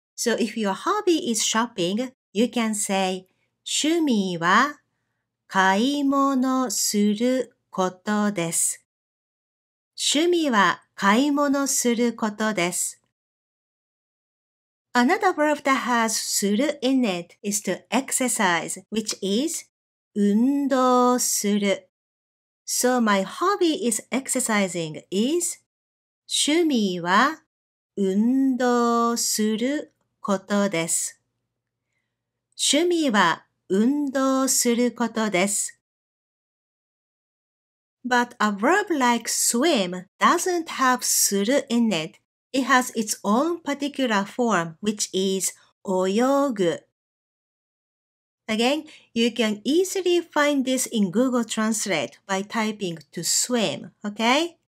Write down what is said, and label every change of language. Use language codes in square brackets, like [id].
[en] So if your hobby is shopping, you can say [ja] 趣味は買い物することです。趣味は買い物することです。 [en] Another verb that has する in it is to exercise, which is [ja] 運動する。 [en] So my hobby is exercising is [ja] 趣味は運動することです。趣味は運動することです。 [en] But a verb like swim doesn't have する in it. It has its own particular form, which is 泳ぐ. Again, you can easily find this in Google Translate by typing to swim, okay?